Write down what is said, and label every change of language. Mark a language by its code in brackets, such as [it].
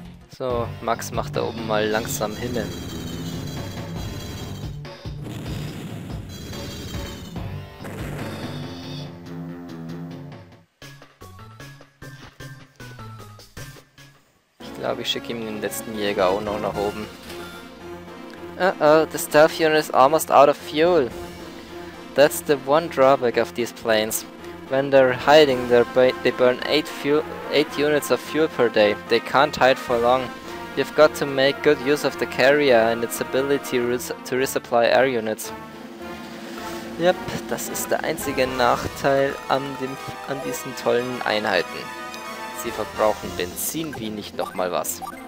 [de] So, Max macht da oben mal langsam hinne. Ich glaube, ich schicke ihm den letzten Jäger auch noch nach oben. [en] Uh-oh, the stealth unit is almost out of fuel. That's the one drawback of these planes. When they're hiding, they burn eight units of fuel per day. They can't hide for long. You've got to make good use of the carrier and its ability to resupply air units. [de] Yep, das ist der einzige Nachteil an diesen tollen Einheiten. Sie verbrauchen Benzin wie nicht nochmal was.